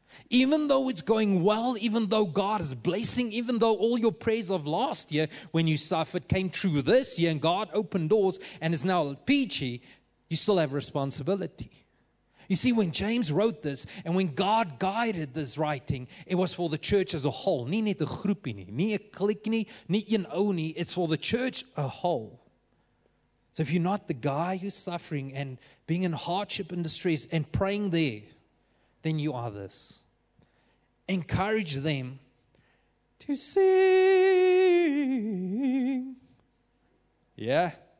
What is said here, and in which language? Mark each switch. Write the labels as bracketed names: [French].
[English] Even though it's going well, even though God is blessing, even though all your prayers of last year when you suffered came true this year and God opened doors and is now peachy, you still have responsibility. You see, when James wrote this, and when God guided this writing, it was for the church as a whole. [Afrikaans] Nie net 'n groepie nie, nie 'n klik nie, nie een ou nie. [English] It's for the church a whole. So if you're not the guy who's suffering and being in hardship and distress and praying there, then you are this. Encourage them to sing. Yeah?